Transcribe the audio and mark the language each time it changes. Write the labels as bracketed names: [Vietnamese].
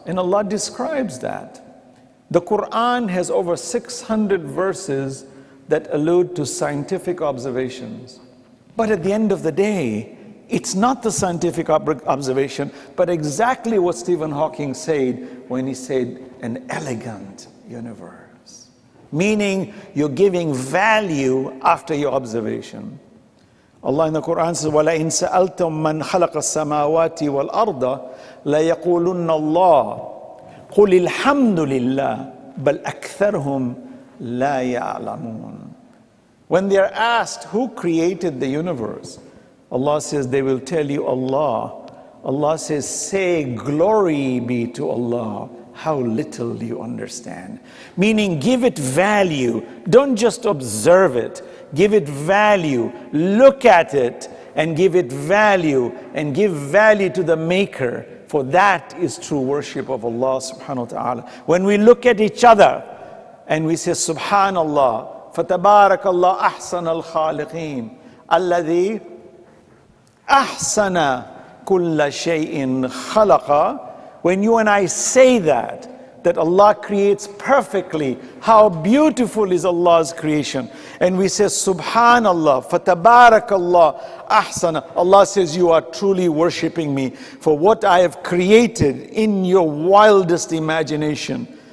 [English] And Allah describes that. The Quran has over 600 verses that allude to scientific observations. But at the end of the day, it's not the scientific observation, but exactly what Stephen Hawking said when he said, an elegant universe. Meaning, you're giving value after your observation. Allah in the Quran says, [Arabic] وَلَئِن سَأَلْتُم مَّنْ خَلَقَ السَّمَاوَاتِ وَالْأَرْضَ لَيَقُولُنَّ اللَّهِ قُلِ الْحَمْدُ لِلَّهِ بَلْ أَكْثَرْهُمْ لَا يَعْلَمُونَ. [English] When they are asked, who created the universe? Allah says, they will tell you Allah. Allah says, say glory be to Allah. How little you understand. Meaning, give it value. Don't just observe it. Give it value. Look at it and give it value. And give value to the maker. For that is true worship of Allah subhanahu wa ta'ala. When we look at each other and we say, Subhanallah. [Arabic] Fatabarakallah ahsan al-khaliqeen. Alladhi أَحْسَنَ كُلَّ شَيْءٍ خَلَقَ. [English] When you and I say that Allah creates perfectly, how beautiful is Allah's creation. And we say, Subhanallah, [Arabic] فَتَبَارَكَ أَحْسَنَ. [English] Allah says, you are truly worshipping me for what I have created in your wildest imagination.